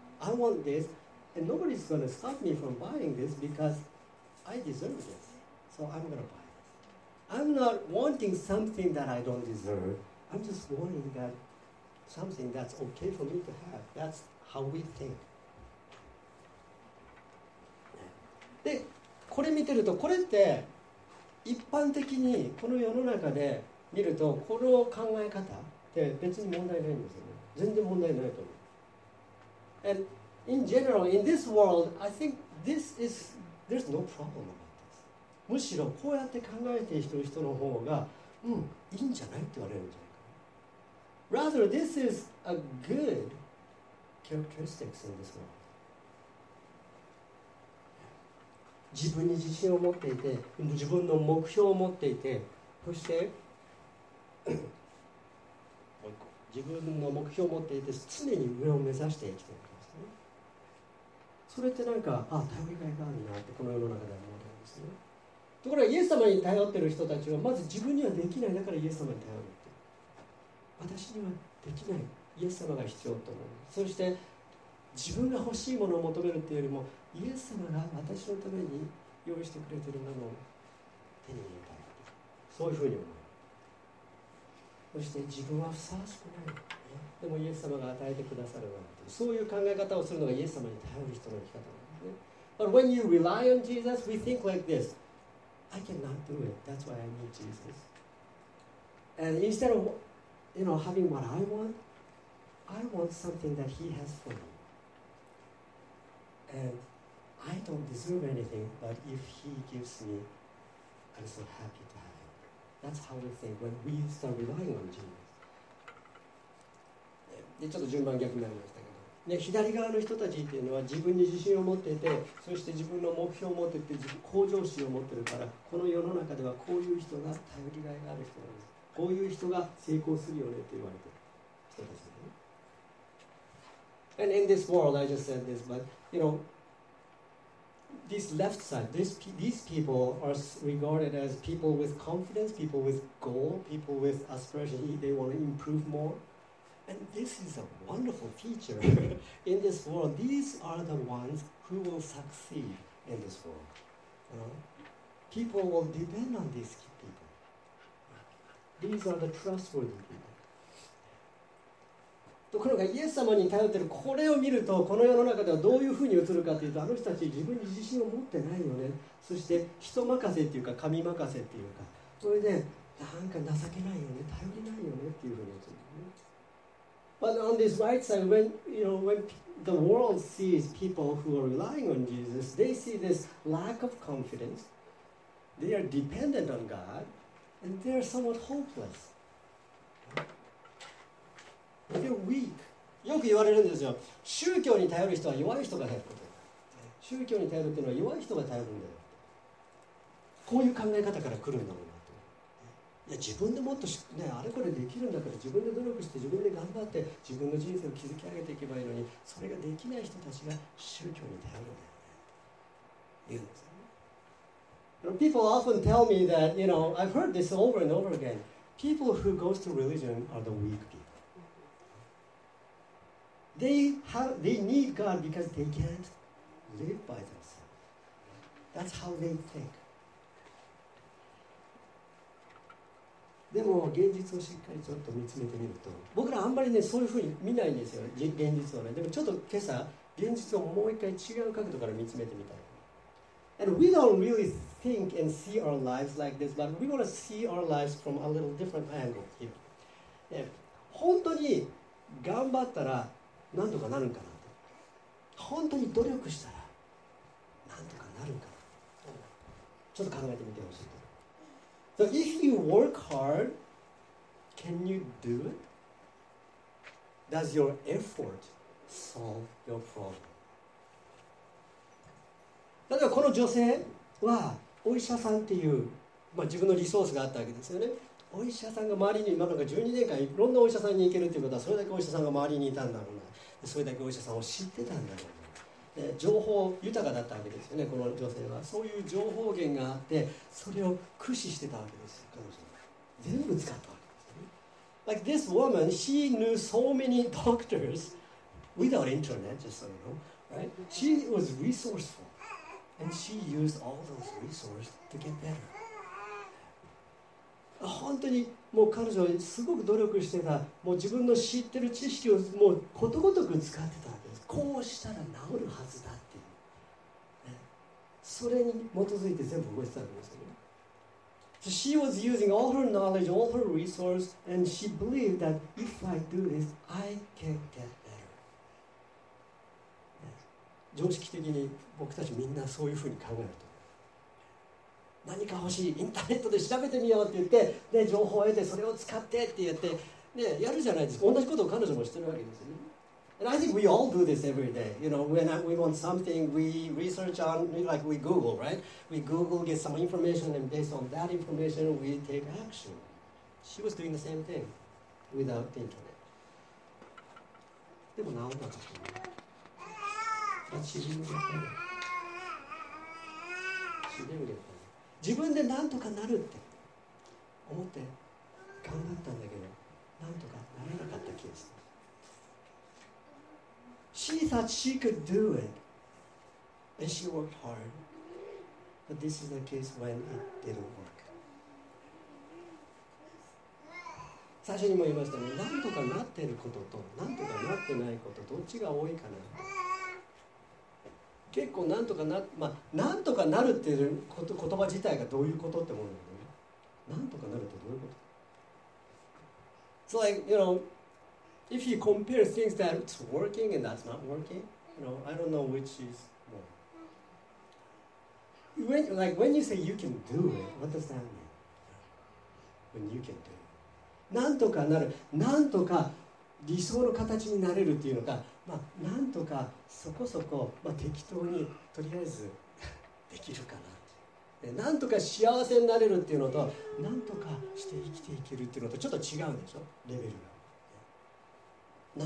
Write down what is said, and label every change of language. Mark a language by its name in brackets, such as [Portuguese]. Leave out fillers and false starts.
[English] I want this, and nobody's going to stop me from buying this because I deserve this, so I'm going to buy this. I'm not wanting something that I don't deserve. I'm just wanting thatsomething that's okay for me to have. That's how we think. [Japanese] で、これ見てると、これって一般的にこの世の中で見るとこの考え方って別に問題ないんですよね。全然問題ないと思う。 [English] And in general, in this world, I think this is, there's no problem about this. [Japanese] むしろこうやって考えている人の方が、うん、いいんじゃないって言われるんじゃない。 [English] Rather, this is a good characteristics in this world. [Japanese] 自分に自信を持っていて、自分の目標を持っていて、そして自分の目標を持っていて、常に上を目指して生きているんですね。それってなんか、あ、頼りがいがあるなってこの世の中では思ってるんですね。ところがイエス様に頼っている人たちは、まず自分にはできない、だからイエス様に頼る。私にはできない、イエス様が必要と思う。そして自分が欲しいものを求めるというよりも、イエス様が私のために用意してくれているものを手に入れたい、そういうふうに思う。そして自分はふさわしくない、でもイエス様が与えてくださるなんて、そういう考え方をするのがイエス様に頼る人の生き方なんですね。 [English] But when you rely on Jesus, we think like this, I cannot do it, that's why I need Jesus. And instead ofYou know, having what I want something that he has for me. And I don't deserve anything, but if he gives me, I'm so happy to have him. That's how we think when we start relying on Jesus. [Japanese] でちょっと順番逆になりましたけど、ね、左側の人たちっていうのは自分に自信を持ってて、そして自分の目標を持ってて、自分向上心を持ってるから、この世の中ではこういう人が頼りがいがある人なんです、こういう人が成功するよねって言われてる人たちですね。 [English] And in this world, I just said this, but you know, this left side, these people are regarded as people with confidence, people with goal, people with aspiration, they want to improve moreAnd this is a wonderful feature in this world. These are the ones who will succeed in this world. You know? People will depend on these people. These are the trustworthy people. [Japanese] ところがイエス様に頼っているこれを見ると、この世の中ではどういうふうに映るかというと、あの人たち自分に自信を持ってないよね。そして人任せというか神任せというか、それでなんか情けないよね、頼りないよねっていうふうに映るね。 [English] But on this right side, when, you know, when the world sees people who are relying on Jesus, they see this lack of confidence, they are dependent on God, and they are somewhat hopeless. They're weak. [Japanese] よく言われるんですよ。宗教に頼る人は弱い人が頼る。宗教に頼るっていうのは弱い人が頼るんだよ。こういう考え方から来るんだもん。いや自分でもっとし、ね、あれこれできるんだから自分で努力して自分で頑張って自分の人生を築き上げていけばいいのに、それができない人たちが宗教に頼るんだよね、言うんですよね。 [English] People often tell me that, you know, I've heard this over and over again. People who go to religion are the weak people. They need God because they can't live by themselves. That's how they think. [Japanese] でも現実をしっかりちょっと見つめてみると、僕らあんまりねそういうふうに見ないんですよ、現実をね。でもちょっと今朝現実をもう一回違う角度から見つめてみたい。 [English] And we don't really think and see our lives like this, but we want to see our lives from a little different angle here. [Japanese] 本当に頑張ったら何とかなるんかなと、本当に努力したら何とかなるんかな、ちょっと考えてみてほしいと。 [English] So if you work hard, can you do it? Does your effort solve your problem? [Japanese] 例えばこの女性はお医者さんっていう、まあ、自分のリソースがあったわけですよね。お医者さんが周りに、なんか12年間いろんなお医者さんに行けるということは、それだけお医者さんが周りにいたんだろうな。それだけお医者さんを知ってたんだろうな。情報豊かだったわけですよね、この女性は。そういう情報源があって、それを駆使してたわけですよ、彼女は。全部使ったわけですね。 [English] Like this woman, she knew so many doctors without internet, just so you know, right? She was resourceful, and she used all those resources to get better. [Japanese] 本当にもう彼女はすごく努力してた。もう自分の知ってる知識をもうことごとく使ってた。こうしたら治るはずだっていう、ね、それに基づいて全部動いてたんですよね。 [English] So she was using all her knowledge, all her resources, and she believed that if I do this, I can get better.、ね、 [Japanese] 常識的に僕たちみんなそういうふうに考えると、何か欲しい、インターネットで調べてみようって言って、で情報を得てそれを使ってって言って、ね、やるじゃないですか。同じことを彼女もしてるわけですよね。 [English] And I think we all do this every day. You know, when we want something, we research on, like we Google, right? We Google, get some information, and based on that information, we take action. She was doing the same thing without the internet. [Japanese] でも治んなかったね。 [English] But she didn't get better. She didn't get better. [Japanese] 自分でなんとかなるって思って頑張ったんだけど、なんとかならなかった気がする。 [English] She thought she could do it, and she worked hard. But this is the case when it didn't work. [Japanese] 最初にも言いましたね。なんとかなってることと、なんとかなってないこと、どっちが多いかな。結構なんとかな、まあなんとかなるっていうこと、言葉自体がどういうことってものなのね。なんとかなるってどういうこと。 [English] So like, you know,If you compare things that's working and that's not working, you know, I don't know which is When, like, when you say you can do it, what does that mean? When you can do it. [Japanese] なんとかなる、なんとか理想の形になれるっていうのか、まあ、なんとかそこそこ、まあ、適当にとりあえずできるかな。なんとか幸せになれるっていうのと、なんとかして生きていけるっていうのとちょっと違うでしょ、レベルが。